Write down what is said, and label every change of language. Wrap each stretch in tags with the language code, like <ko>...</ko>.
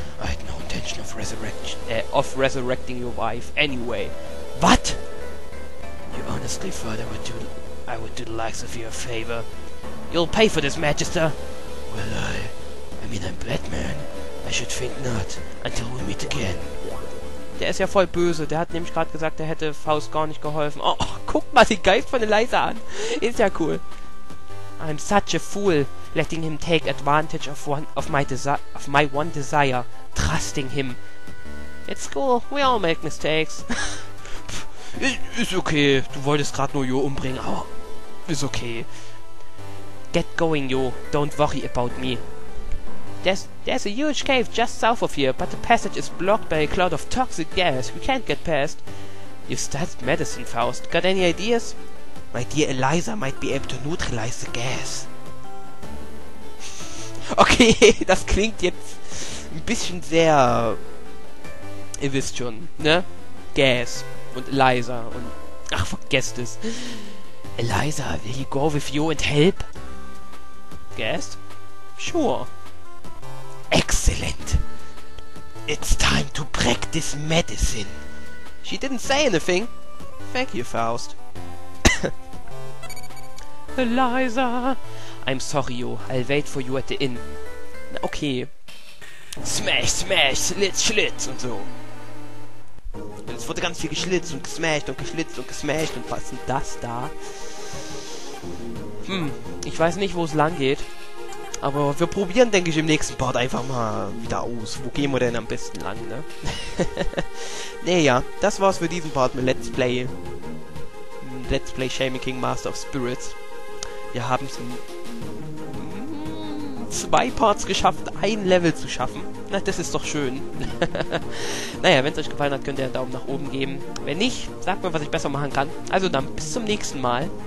<en>I had no intention of resurrecting your wife anyway. What? You honestly thought I would do the likes of you a favor? You'll pay for this, Magister. Well, I mean, I'm Batman. I should think not until we meet again.</en> <de>Der ist ja voll böse. Der hat nämlich gerade gesagt, der hätte Faust gar nicht geholfen. Oh, oh, guck mal den Geist von Liza an. Ist ja cool.</de> <en>I'm such a fool, letting him take advantage of my one desire, trusting him. It's cool. We all make mistakes.</en> <de>Ist okay. Du wolltest gerade nur Jo umbringen, aber ist okay.</de> <en>Get going, Jo. Don't worry about me. There's a huge cave just south of here, but the passage is blocked by a cloud of toxic gas. We can't get past. You studied medicine, Faust. Got any ideas? My dear Eliza might be able to neutralize the gas.</en> <de>Okay, das klingt jetzt ein bisschen sehr... Ihr wisst schon, ne? Gas und Eliza und... Ach, vergesst es.</de> <en>Eliza, will you go with you and help? Gas? Sure. Excellent. It's time to practice medicine. She didn't say anything. Thank you, Faust. Eliza. I'm sorry, Jo. I'll wait for you at the inn. Okay.</en> <de>Smash, smash, schlitz, schlitz und so. Es wurde ganz viel geschlitzt und gesmashed und geschlitzt und gesmashed. Und was ist das da? Ich weiß nicht, wo es lang geht. Aber wir probieren, denke ich, im nächsten Part einfach mal wieder aus. Wo gehen wir denn am besten lang, ne? Naja, das war's für diesen Part mit Let's Play. Let's Play Shaman King Master of Spirits. Wir haben zwei Parts geschafft, ein Level zu schaffen. Na, das ist doch schön. Naja, wenn es euch gefallen hat, könnt ihr einen Daumen nach oben geben. Wenn nicht, sagt mir, was ich besser machen kann. Also dann, bis zum nächsten Mal.</de>